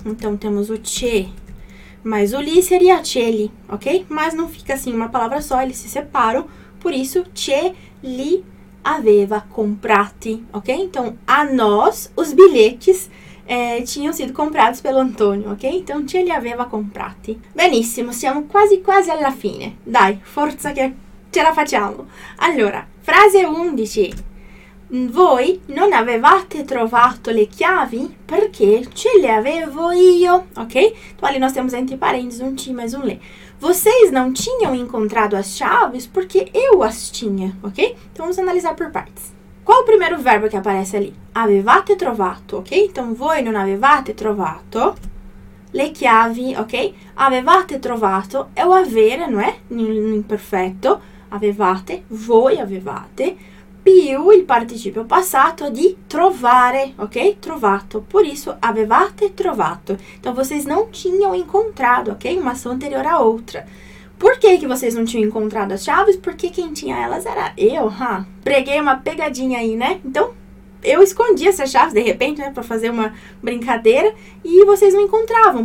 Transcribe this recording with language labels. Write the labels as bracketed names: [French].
[Portuguese] Então, temos o ti. Mas o li seria celi, ok? Mas não fica assim uma palavra só, eles se separam. Por isso, [Italian] ce li aveva comprati, [Portuguese] ok? Então, a nós, os bilhetes tinham sido comprados pelo Antônio, ok? Então, [Italian] ce li aveva comprati. Benissimo, siamo quasi quasi alla fine. Dai, forza che ce la facciamo. Allora, frase 11. Voi non avevate trovato le chiavi perché ce le avevo io, ok? [Portuguese] Então, ali nós temos entre parênteses um ti mais um le. Vocês não tinham encontrado as chaves porque eu as tinha, ok? Então, vamos analisar por partes. Qual o primeiro verbo que aparece ali? [Italian] Avevate trovato, ok? Então, voi non avevate trovato le chiavi, ok? [Portuguese] Avevate trovato é o avere, não é? [Italian] No imperfeito. Avevate, voi avevate. Più il participio passato di trovare, ok? Trovato. [Portuguese] Por isso, [Italian] avevate trovato. [Portuguese] Então, vocês não tinham encontrado, ok? Uma ação anterior à outra. Por que que vocês não tinham encontrado as chaves? Porque quem tinha elas era eu, huh? Preguei uma pegadinha aí, né? Então, eu escondi essas chaves, de repente, né, pra fazer uma brincadeira, e vocês não encontravam.